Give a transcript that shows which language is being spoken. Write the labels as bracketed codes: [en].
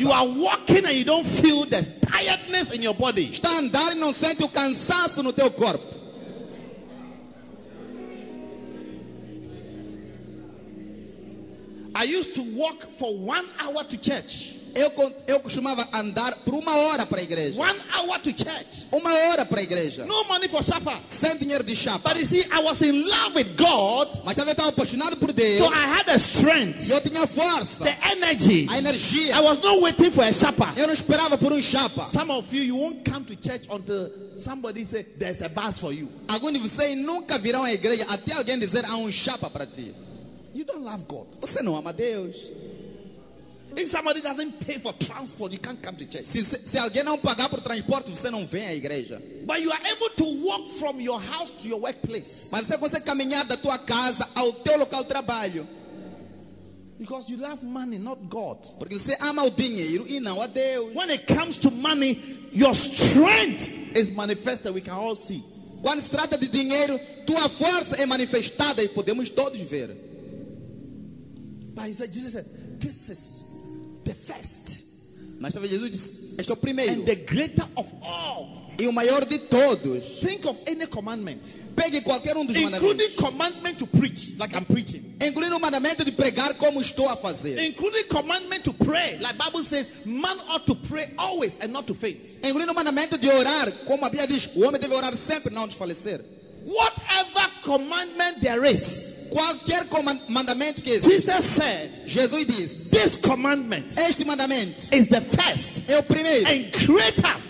[en] You are walking and you don't feel the tiredness in your body. [pt] Está andar e não sente o cansaço no teu corpo. [en] I used to walk for 1 hour to church. [pt] Eu costumava andar por 1 hora para a igreja. [en] 1 hour to church. [pt] 1 hora para a igreja. [en] No money for supper. [pt] Sem dinheiro de chapa. [en] But you see, I was in love with God. [pt] Mas também estava apaixonado por Deus. [en] So I had a strength. [pt] Eu tinha força. [en] The energy. [pt] A energia. [en] I was not waiting for a chapa. [pt] Eu não esperava por chapa. [en] Some of you won't come to church until somebody say there's a bus for you. [pt] Alguns de vocês nunca virão à igreja até alguém dizer há chapa para ti. [en] You don't love God. [pt] Você não ama Deus. [en] If somebody doesn't pay for transport, you can't come to church. [pt] Se alguém não pagar por transporte, você não vem à igreja. [en] But you are able to walk from your house to your workplace. [pt] Mas você consegue caminhar da tua casa ao teu local de trabalho. [en] Because you love money, not God. [pt] Porque você ama o dinheiro e não a Deus. [en] When it comes to money, your strength is manifested. We can all see. [pt] Quando se trata de dinheiro, tua força é manifestada e podemos todos ver. [en] But he said, Jesus said, this is the first. [pt] Mas talvez Jesus disse, este é o primeiro. [en] And the greater of all. [pt] E o maior de todos. [en] Think of any commandment. [pt] Pegue qualquer dos [en] including [pt] mandamentos. [en] Commandment to preach, like I'm preaching. [pt] Incluindo o mandamento de pregar como estou a fazer. [en] Including commandment to pray, like Bible says, man ought to pray always and not to faint. [pt] Incluindo o mandamento de orar, como a Bíblia diz, o homem deve orar sempre, não desfalecer. [en] Whatever commandment there is, [pt] qualquer mandamento que existe, [en] Jesus said, [pt] Jesus diz, [en] this commandment, [pt] este mandamento, [en] is the first, [pt] é o primeiro, [en] and greater,